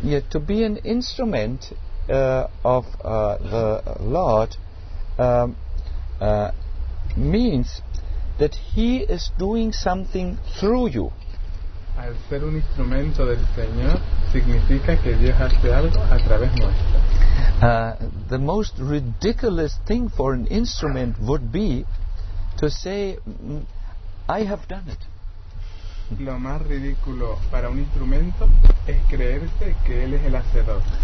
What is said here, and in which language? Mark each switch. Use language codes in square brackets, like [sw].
[en] To be an instrument of the Lord means that he is doing something through you. [es] Al ser un instrumento del Señor significa que Dios hace algo a través nuestro. [en] The most ridiculous thing for an instrument would be to say, I have done it. [es] Lo más ridículo para un instrumento es creerse que él es el hacedor.